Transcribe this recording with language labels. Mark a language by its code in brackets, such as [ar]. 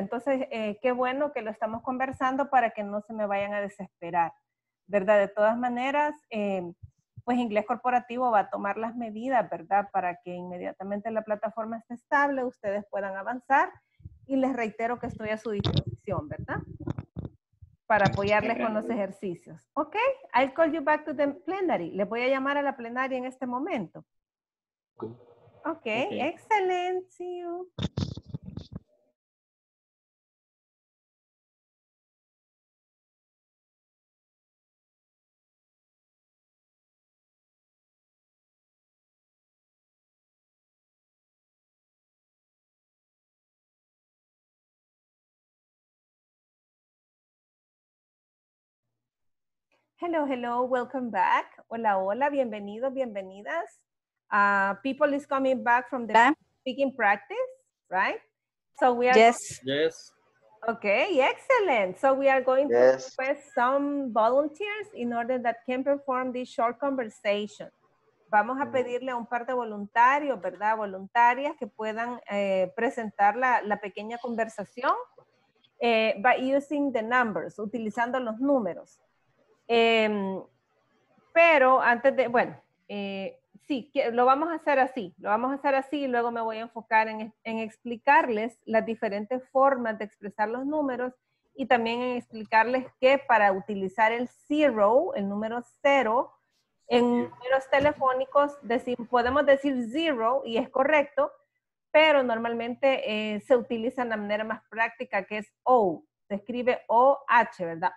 [es] Entonces, qué bueno que lo estamos conversando para que no se me vayan a desesperar, ¿verdad? De todas maneras, pues Inglés Corporativo va a tomar las medidas, ¿verdad? Para que inmediatamente la plataforma esté estable, ustedes puedan avanzar. Y les reitero que estoy a su disposición, ¿verdad? Para apoyarles con los ejercicios. [en] Ok, I'll call you back to the plenary. [es] Les voy a llamar a la plenaria en este momento. [en] Okay. Excellent. See you. Hello, hello, welcome back. [es] Hola, hola, bienvenidos, bienvenidas. [en] People is coming back from the speaking practice, right? So we are. Yes. Yes. Okay, excellent. So we are going to request some volunteers in order that can perform this short conversation. [es] Vamos a pedirle a un par de voluntarios, ¿verdad? Voluntarias que puedan presentar la pequeña conversación [en] by using the numbers, [es] utilizando los números. Pero antes de, bueno, sí, lo vamos a hacer así, lo vamos a hacer así y luego me voy a enfocar en explicarles las diferentes formas de expresar los números y también en explicarles que para utilizar el zero, el número cero, en números telefónicos podemos decir zero y es correcto, pero normalmente se utiliza de la manera más práctica que es O, se escribe O-H, ¿verdad?